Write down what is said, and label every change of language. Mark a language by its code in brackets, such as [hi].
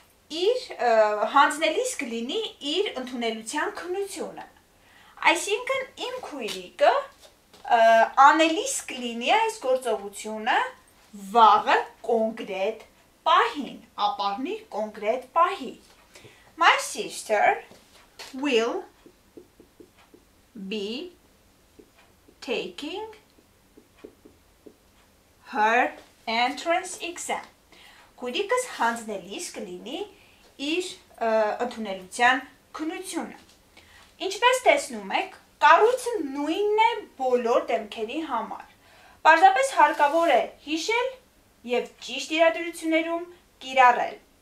[hy] Իր հանձնելիս կլինի իր ընդունելության քննությունը. Այսինքն իմ քույրիկը անելիս կլինի այս գործողությունը վաղը կոնկրետ պահին, ապահնի կոնկրետ պահի. [en] My sister will be taking her entrance exam. [hy] Քույրիկս հանձնելիս կլինի իր ընդունելության քննությունը. Ինչպես տեսնում եք, կառույցը նույնն է բոլոր դեմքերի համար. Պարզապես հարկավոր է հիշել եւ ճիշտ իրադրություններում կիրառել.